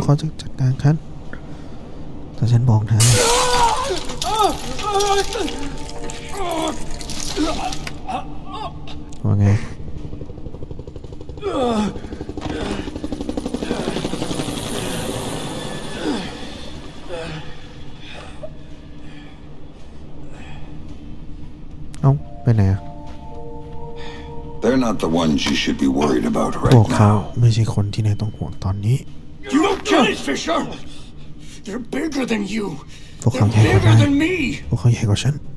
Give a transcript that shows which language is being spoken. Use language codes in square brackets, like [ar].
[th] พวกเขาจะจัดการฉันถ้าฉันบอกเธอว่าไงไปไหน [en] They're not the ones you should be worried about right [th] now. พวกเขาไม่ใช่คนที่นายต้องห่วงตอนนี้ [en] You don't get it, Fisher. They're bigger than you. [th] พวกเขาใหญ่กว่าฉันพวกเขาใหญ่กว่าฉัน